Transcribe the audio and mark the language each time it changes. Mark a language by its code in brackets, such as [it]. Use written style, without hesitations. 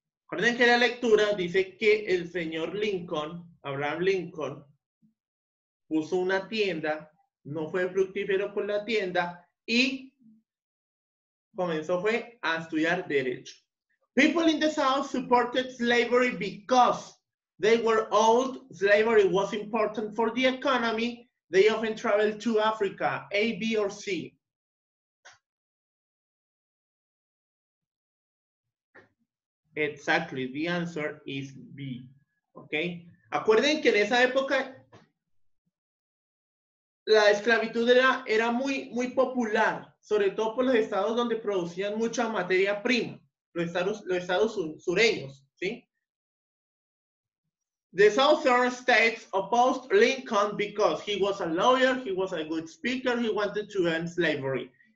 [es] Recuerden que la lectura dice que el señor Lincoln, Abraham Lincoln, puso una tienda, no fue fructífero con la tienda y comenzó fue a estudiar derecho. [en] People in the South supported slavery because they were old. Slavery was important for the economy. They often traveled to Africa. A, B, or C. Exactly. The answer is B. Okay. [es] Acuerden que en esa época la esclavitud era muy, muy popular, sobre todo por los estados donde producían mucha materia prima, los estados sureños, ¿sí? [en] The Southern states opposed Lincoln because he was a lawyer, he was a good speaker, he wanted to end slavery.